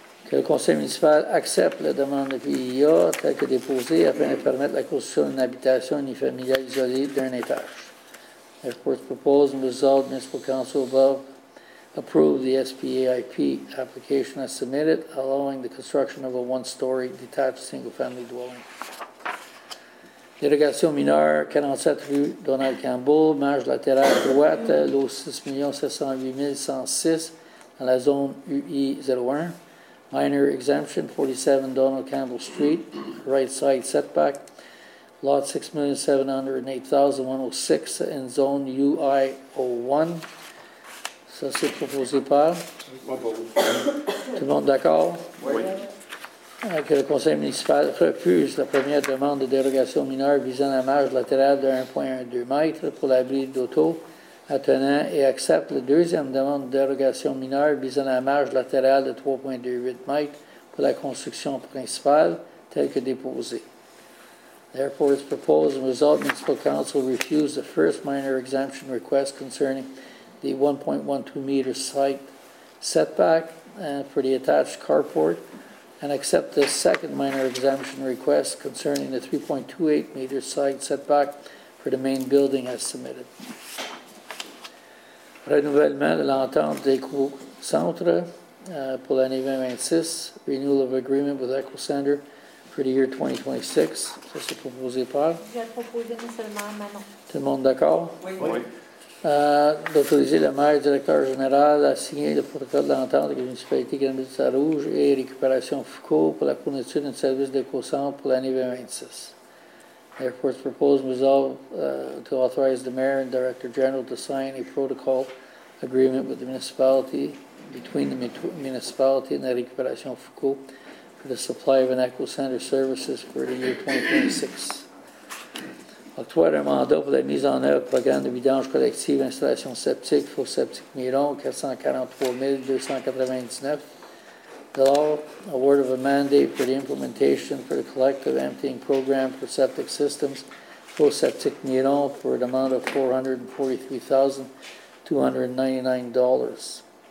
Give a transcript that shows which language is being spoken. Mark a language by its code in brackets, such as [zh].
[fr] Que le conseil municipal accepte la demande de PIA telle que déposée afin de permettre la construction d'une habitation unifamiliale isolée d'un étage. [en] Therefore, it's proposed and resolved municipal council above approve the SPAIP application as submitted, allowing the construction of a 1-story detached single-family dwelling. [fr] Dérogation mineure, 47 rue Donald Campbell, marge latérale droite, lot 6,708,106 dans la zone UI01. [en] Minor exemption, 47 Donald Campbell Street, right side setback, lot 6,708,106 in zone UI01. [fr] Ça, c'est proposé par? Tout le monde d'accord? Oui. Que le conseil municipal refuse la première demande de dérogation mineure visant la marge latérale de 1,12 mètres pour l'abri d'auto attenant et accepte la deuxième demande de dérogation mineure visant la marge latérale de 3,28 mètres pour la construction principale telle que déposée. [en] Therefore, it's proposed and resolved municipal council refuse the first minor exemption request concerning the 1.12 meter site setback for the attached carport and accept the second minor exemption request concerning the 3.28 meter site setback for the main building as submitted. [fr] renouvellement de l'entente d'Eco-Centre pour l'année 2026, [en] Renewal of Agreement with Eco-Centre for the year 2026. [fr] Ça, c'est proposé par? Je vais proposer non seulement Manon. Tout le monde d'accord? Oui. D'autoriser le maire et directeur général à signer le protocole d'entente avec la municipalité Granby-de-Sarrouge et Récupération Foucault pour la fourniture d'un service d'éco-centre pour l'année 2026. [en] Therefore, it's proposed resolve to authorize the mayor and director general to sign a protocol agreement with the municipality between the municipality and the Récupération Foucault for the supply of an éco-centre services for the year 2026. [fr] Octroyer un mandat pour la mise en œuvre du programme de vidange collective installation septique pour Septique Miron, 443,299. [en] Award of a mandate for the implementation for the collective emptying program for septic systems pour Septique Miron for an amount of $443,299.